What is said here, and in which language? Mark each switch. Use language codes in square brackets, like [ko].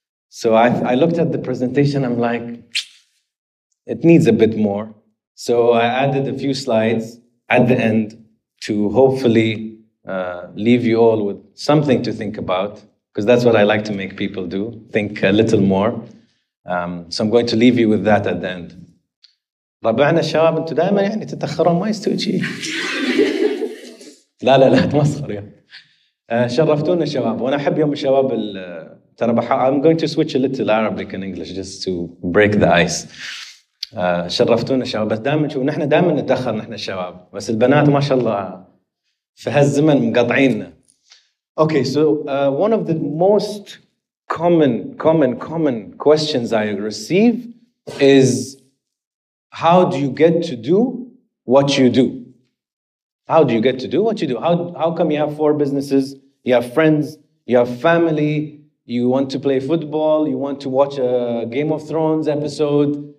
[en] So I looked at the presentation, I'm like, it needs a bit more. So I added a few slides at the end to hopefully leave you all with something to think about, because that's what I like to make people do, think a little more. So I'm going to leave you with that at the end. [ar] ربعنا الشباب انتوا دائما يعني تتاخرون ما يستوي شيء. لا لا لا تمسخر يا. شرفتونا شباب وانا احب يوم الشباب ترى [en] I'm going to switch a little Arabic and English just to break the ice. [ar] شرفتونا شباب بس دائما شوف نحن دائما نتاخر نحن الشباب بس البنات ما شاء الله في هالزمن مقاطعيننا. [en] Okay, so one of the most common questions I receive is, how do you get to do what you do? How do you get to do what you do? How come you have four businesses, you have friends, you have family, you want to play football, you want to watch a Game of Thrones episode?